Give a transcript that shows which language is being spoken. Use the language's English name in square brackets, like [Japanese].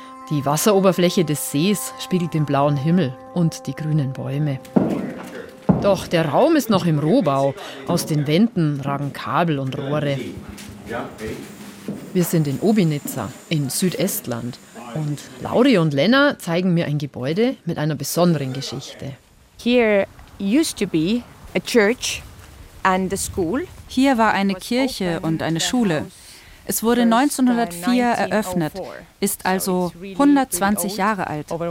[German] Die Wasseroberfläche des Sees spiegelt den blauen Himmel und die grünen Bäume. Doch der Raum ist noch im Rohbau. Aus den Wänden ragen Kabel und Rohre. Wir sind in Obinitsa, in Südestland. Und Lauri und Lena zeigen mir ein Gebäude mit einer besonderen Geschichte. Hier [English] used to be a church and a school. [German] Hier war eine Kirche und eine Schule. Es wurde 1904 eröffnet, ist also 120 Jahre alt.